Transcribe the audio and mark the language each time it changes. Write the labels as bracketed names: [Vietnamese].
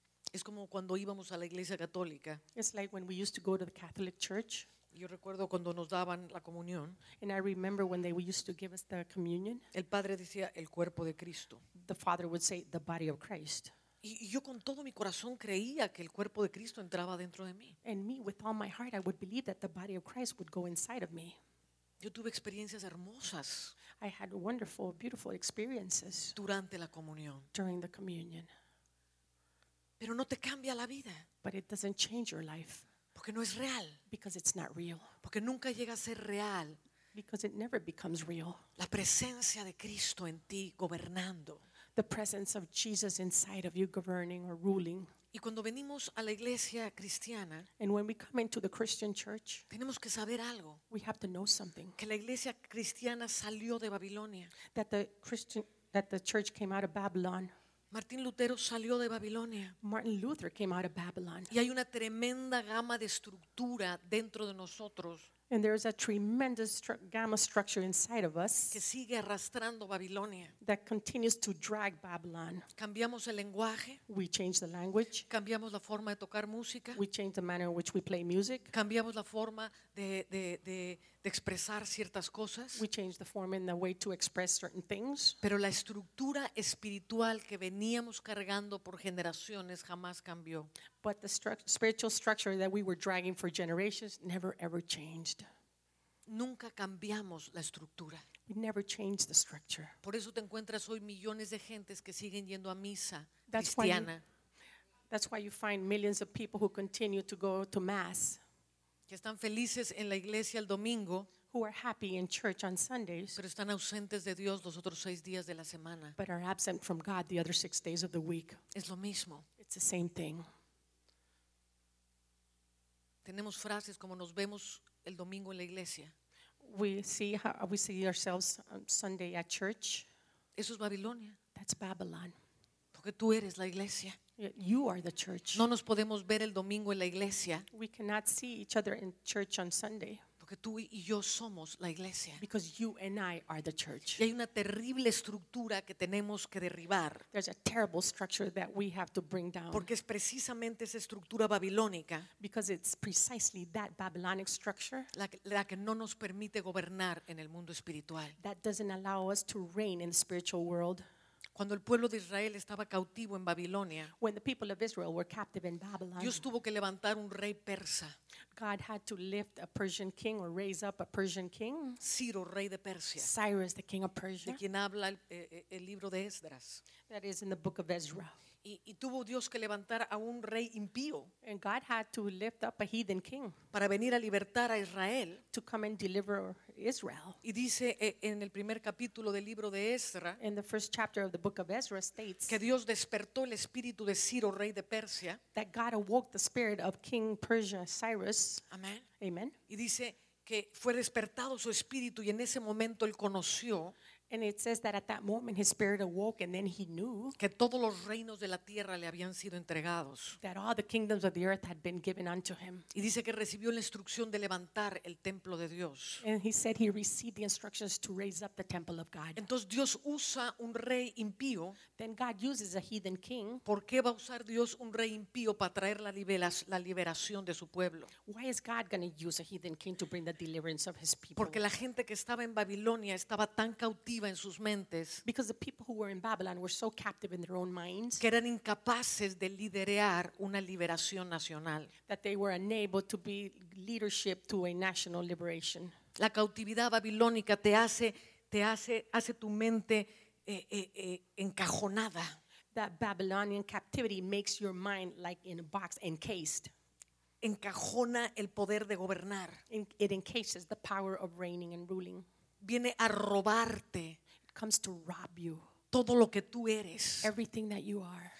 [Spanish] Es como cuando íbamos a la iglesia católica. [English] It's like when we used to go to the Catholic Church. [Spanish] Yo recuerdo cuando nos daban la comunión. [English] And I remember when they used to give us the communion. [Spanish] El padre decía el cuerpo de Cristo. [English] The father would say the body of Christ. [Spanish] Y yo con todo mi corazón creía que el cuerpo de Cristo entraba dentro de mí. [English] And me with all my heart I would believe that the body of Christ would go inside of me. [Spanish] Yo tuve experiencias hermosas. [English] I had wonderful, beautiful experiences. [Spanish] Durante la comunión. [English] During the communion. [Spanish] Pero no te cambia la vida. [English] But it doesn't change your life. [Spanish] Porque no es real. [English] Because it's not real. [Spanish] Porque nunca llega a ser real. [English] Because it never becomes real. [Spanish] La presencia de Cristo en ti gobernando. [English] The presence of Jesus inside of you governing or ruling. [Spanish] Y cuando venimos a la iglesia cristiana, [English] and when we come into the Christian church, [Spanish] tenemos que saber algo. [English] We have to know something. [Spanish] Que la iglesia cristiana salió de Babilonia. [English] That the church came out of Babylon. [Spanish] Martín Lutero salió de Babilonia. [English] Martin Luther came out of Babylon. [Spanish] Y hay una tremenda gama de estructura dentro de nosotros. [English] And there is a tremendous gamma structure inside of us. [Spanish] Que sigue arrastrando Babilonia. [English] That continues to drag Babylon. [Spanish] Cambiamos el lenguaje. [English] We change the language. [Spanish] Cambiamos la forma de tocar música. [English] We change the manner in which we play music. [Spanish] Cambiamos la forma de expresar ciertas cosas. [English] We change the form and the way to express certain things. [Spanish] Pero la estructura espiritual que veníamos cargando por generaciones jamás cambió. [English] But the spiritual structure that we were dragging for generations never ever changed. [Spanish] Nunca cambiamos la estructura. [English] We never changed the structure. [Spanish] Por eso te encuentras hoy millones de gentes que siguen yendo a misa cristiana. [English] That's why you find millions of people who continue to go to mass. [Spanish] Que están felices en la iglesia el domingo. [English] Who are happy in church on Sundays. [Spanish] Pero están ausentes de Dios los otros seis días de la semana. [English] But are absent from God the other six days of the week. [Spanish] Es lo mismo. [English] It's the same thing. [Spanish] Tenemos frases como nos vemos el domingo en la iglesia. [English] We see ourselves on Sunday at church. [Spanish] Eso es Babilonia. [English] That's Babylon. [Spanish] Porque tú eres la iglesia. [English] You are the church. [Spanish] No nos podemos ver el domingo en la iglesia. [English] We cannot see each other in church on Sunday. [Spanish] Porque tú y yo somos la iglesia. [English] Because you and I are the church. [Spanish] Y hay una terrible estructura que tenemos que derribar. [English] There's a terrible structure that we have to bring down. [Spanish] Porque es precisamente esa estructura babilónica. [English] Because it's precisely that Babylonic structure. [Spanish] La que no nos permite gobernar en el mundo espiritual. [English] That doesn't allow us to reign in the spiritual world. [Spanish] Cuando el pueblo de Israel estaba cautivo en Babilonia, [English] when the people of Israel were captive in Babylon, [Spanish] Dios tuvo que levantar un rey persa. [English] God had to lift a Persian king or raise up a Persian king. [Spanish] Ciro, rey de Persia. [English] Cyrus, the king of Persia. [Spanish] De quien habla el libro de Esdras. [English] That is in the book of Ezra. [Spanish] Y tuvo Dios que levantar a un rey impío. [English] And God had to lift up a heathen king. [Spanish] Para venir a libertar a Israel. [English] To come and deliver Israel. [Spanish] Y dice en el primer capítulo del libro de Ezra. [English] In the first chapter of the book of Ezra states. [Spanish] Que Dios despertó el espíritu de Ciro, rey de Persia. [English] That God awoke the spirit of King Persia, Cyrus. [Spanish] Amen. [English] Amen. [Spanish] Y dice que fue despertado su espíritu y en ese momento él conoció. [English] And it says that at that moment his spirit awoke and then he knew [Spanish] que todos los reinos de la tierra le habían sido entregados. [English] That all the kingdoms of the earth had been given unto him. [Spanish] Y dice que recibió la instrucción de levantar el templo de Dios. [English] And he said he received the instructions to raise up the temple of God. [Spanish] Entonces Dios usa un rey impío. [English] Then God uses a heathen king. [Spanish] ¿Por qué va a usar Dios un rey impío para traer la liberación de su pueblo? [English] Why is God going to use a heathen king to bring the deliverance of his people? [Spanish] Porque la gente que estaba en Babilonia estaba tan cautiva en sus mentes, [English] because the people who were in Babylon were so captive in their own minds, [Spanish] que eran incapaces de liderar una liberación nacional, [English] that they were unable to be leadership to a national liberation. [Spanish] La cautividad babilónica te hace tu mente encajonada. [English] That Babylonian captivity makes your mind like in a box, encased. [Spanish] Encajona el poder de gobernar. [English] It encases the power of reigning and ruling. [Spanish] Viene a robarte. [English] It comes to rob you. [Spanish] Todo lo que tú eres. [English] Everything that you are.